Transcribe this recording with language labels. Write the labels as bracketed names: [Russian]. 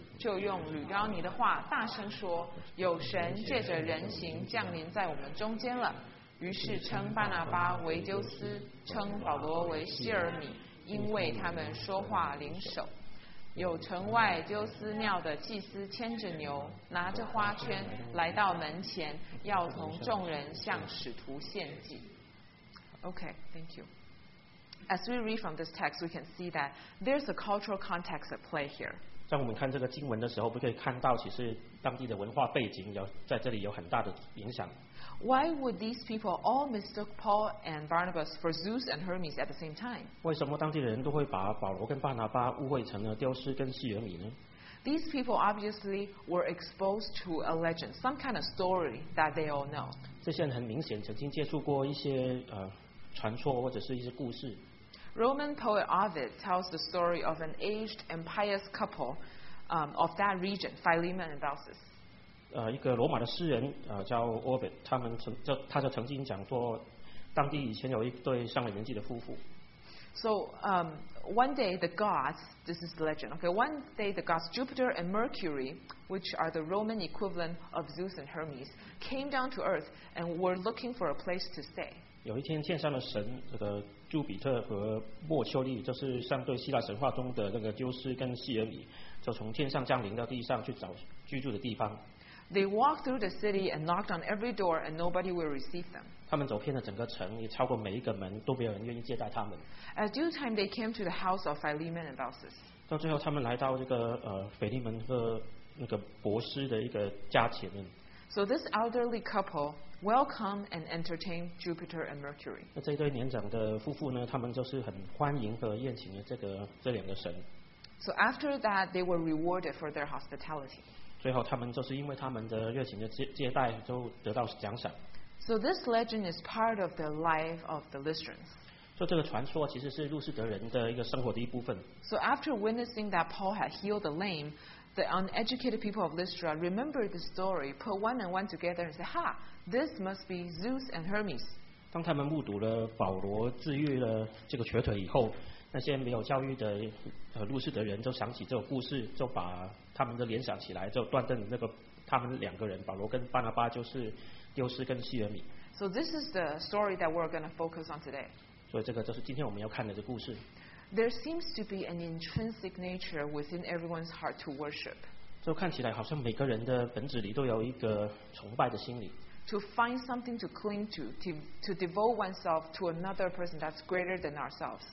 [Chinese] 就用吕高尼的话大声说有神借着人形降临在我们中间了于是称巴拿巴为纠斯称保罗为希尔米因为他们说话灵手有城外纠斯庙的祭司牵着牛拿着花圈来到门前要同众人向使徒献祭 [English] OK thank you As we read from this text we can see that there's a cultural context at play here [Chinese] 当我们看这个经文的时候，不可以看到其实当地的文化背景有在这里有很大的影响。 [English] Why would these people all mistook Paul and Barnabas for Zeus and Hermes at the same time? [Chinese] 为什么当地的人都会把保罗跟巴拿巴误会成了丢失跟希尔米呢 [English] ？These people obviously were exposed to a legend, some kind of story that they all know. [Chinese] 这些人很明显曾经接触过一些传说或者是一些故事。 [English] Roman poet Ovid tells the story of an aged and pious couple of that region, Philemon and Baucis. [Chinese] 一个罗马的诗人叫 Ovid， 他就曾经讲说，当地以前有一对上了年纪的夫妇。 [English] So one day the gods, this is the legend. Okay, one day the gods Jupiter and Mercury, which are the Roman equivalent of Zeus and Hermes, came down to Earth and were looking for a place to stay. [Chinese] 有一天，天上的神，这个朱比特和莫丘利，就是相对希腊神话中的那个宙斯跟希尔米，就从天上降临到地上去找居住的地方。 [English] They walked through the city and knocked on every door, and nobody will receive them. [Chinese] 他们走遍了整个城，也超过每一个门，都没有人愿意接待他们。 [English] At due time, they came to the house of Philemon and Baucis. [Chinese] 到最后，他们来到这个腓利门和那个博斯的一个家前面。 [English] So this elderly couple welcome and entertain Jupiter and Mercury. [Chinese] 那这对年长的夫妇呢？他们就是很欢迎和宴请的这两个神。 [English] So after that, they were rewarded for their hospitality. [Chinese] 最后，他们就是因为他们的热情的接待，就得到奖赏。 [English] So this legend is part of the life of the Lystrans. [Chinese] 就这个传说其实是路士德人的一个生活的一部分。 [English] So after witnessing that Paul had healed the lame, the uneducated people of Lystra remembered the story, put one and one together and said, "Ha, this must be Zeus and Hermes." [Chinese] 当他们目睹了保罗治愈了这个瘸腿以后。那些没有教育的路士的人就想起这个故事，就把他们的联想起来，就断定那个他们两个人保罗跟巴拿巴就是丢失跟西尔米。 [English] So this is the story that we're going to focus on today. [Chinese] 所以这个就是今天我们要看的这故事。 [English] There seems to be an intrinsic nature within everyone's heart to worship. [Chinese] 就看起来好像每个人的本质里都有一个崇拜的心理。 [English] To find something to cling to devote oneself to another person that's greater than ourselves.